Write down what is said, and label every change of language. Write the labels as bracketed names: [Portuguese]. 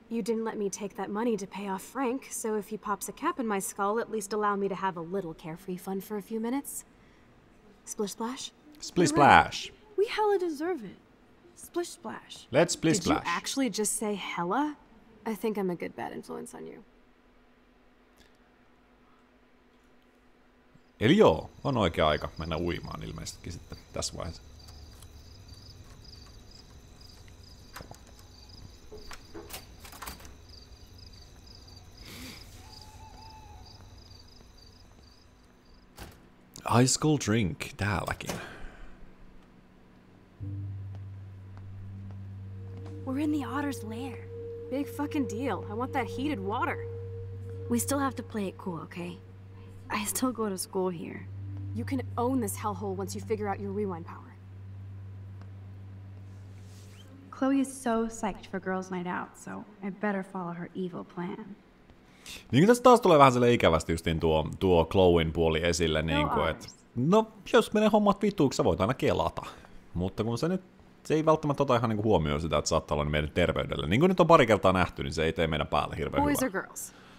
[English] You didn't let me take that money to pay off Frank, so if he pops a cap in my skull, at least allow me to have a little carefree fun for a few minutes. Splish splash? Splish splash. We hella deserve it. Splish splash. Let's splish splash. Did you actually just say hella? I think I'm a good bad influence on you. [Finnish] Eli joo, on oikea aika mennä uimaan ilmeisesti sitten tässä vaiheessa. [English] High school drink, [Finnish] täälläkin. [English] We're in the otter's lair. Big fucking deal. I want that heated water. We still have to play it cool, okay? I still go to school here. You can own this hellhole once you figure out your rewind power. Chloe is so psyched for girls' night out, so I better follow her evil plan. [Finnish] Niin kuin tässä taas tulee vähän silleen ikävästi justiin tuo Chloen puoli esille, niin kuin, että no, jos menee hommat vituuksi, sä voit aina kelata. Mutta kun se nyt, se ei välttämättä ota ihan niin kuin huomioon sitä, että saattaa olla meidän terveydelle. Niin kuin nyt on pari kertaa nähty, niin se ei tee meidän päälle hirveän hyvää. [English] Boys or girls?